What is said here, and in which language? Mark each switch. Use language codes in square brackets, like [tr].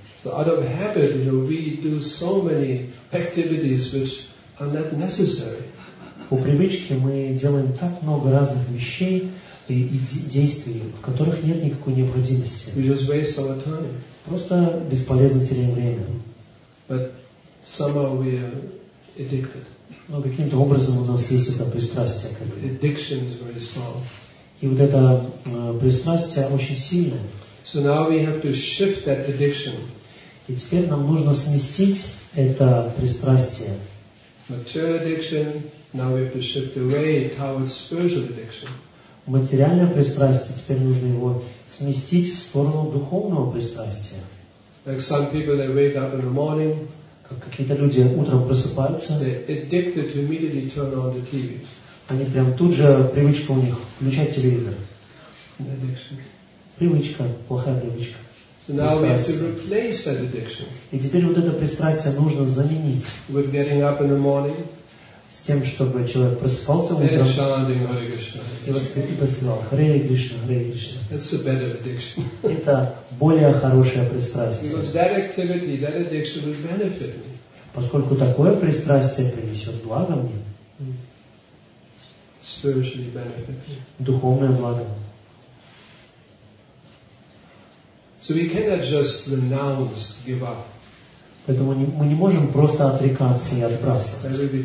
[en] So out of habit, you know, we do so many activities which are not necessary. [ru] По привычке мы делаем так много разных вещей и действий, в которых нет никакой необходимости. [en] We just waste our time. [ru] Просто бесполезно теряем время. [en] But somehow we are addicted. [ru] Но каким-то образом у нас есть это пристрастие к этому. [en] Addiction is very strong. [ru] И вот это пристрастие очень сильное. [en] So now we have to shift that addiction. [ru] И теперь нам нужно сместить это пристрастие. [en] Material addiction, now we have to shift away towards spiritual addiction. [ru] Материальное пристрастие, теперь нужно его сместить в сторону духовного пристрастия. [en] Like some people, they wake up in the morning. [ru] Какие-то люди утром просыпаются. Они прям тут же, привычка у них, включать телевизор. Привычка, плохая привычка. [en] So now we have to replace that addiction. [ru] И теперь вот это пристрастие нужно заменить. [en] With getting up in the morning. [ru] С тем, чтобы человек просыпался утром. И chanting Hare Krishna. И вот ты посылал Hare Krishna, Hare Krishna. [en] That's a better addiction. [ru] Это более хорошее пристрастие. [en] Because that activity, that addiction will benefit me. [ru] Поскольку такое пристрастие принесет благо мне. [en] Spiritually benefit. [ru] Духовное благо. [en] So we cannot just renounce, give up. [ru] Поэтому мы не можем просто отрекаться и отбрасывать.